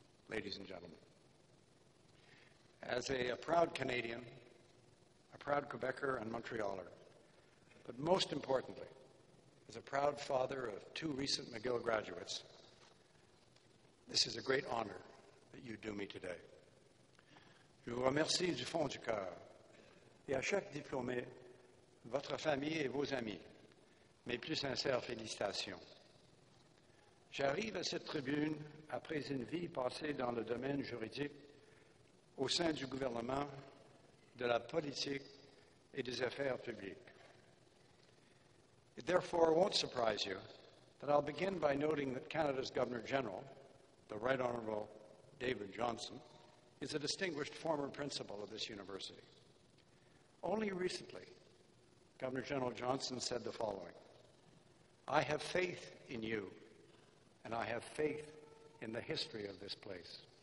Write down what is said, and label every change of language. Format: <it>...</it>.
<en>Ladies and gentlemen, as a proud Canadian, a proud Quebecer and Montrealer, but most importantly, as a proud father of two recent McGill graduates, this is a great honor that you do me today.</en> <fr>Je vous remercie du fond du cœur. Et à chaque diplômé, votre famille et vos amis, mes plus sincères félicitations. J'arrive à cette tribune après une vie passée dans le domaine juridique, au sein du gouvernement, de la politique et des affaires publiques.</fr> <en>It therefore won't surprise you that I'll begin by noting that Canada's Governor General, the Right Honorable David Johnson, is a distinguished former principal of this university. Only recently, Governor General Johnson said the following, I have faith in you, and I have faith in the history of this place.</en>